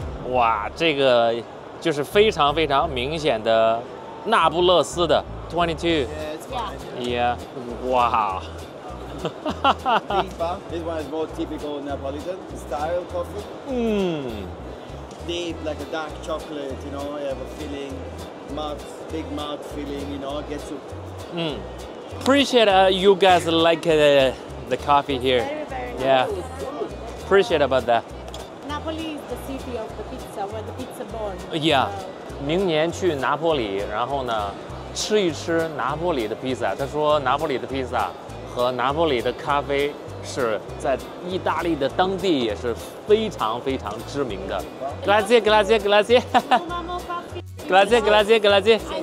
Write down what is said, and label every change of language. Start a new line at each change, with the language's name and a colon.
Chinese: 哇，这个就是非常非常明显的那不勒斯的 22。
English: Yeah. Wow. This one is more typical Neapolitan style coffee. Deep, like a dark chocolate. You know, you have a filling, big malt filling. You know, gets you. Appreciate you guys like the coffee here. Very, very nice. Appreciate about that. Napoli is the city of the pizza, where the pizza born.
Chinese: Yeah. 明年去拿破里，然后呢？吃一吃拿破里的披萨，他说拿破里的披萨和拿破里的咖啡是在意大利的当地也是非常非常知名的。
Italian: Grazie, grazie, grazie. Grazie, grazie, grazie.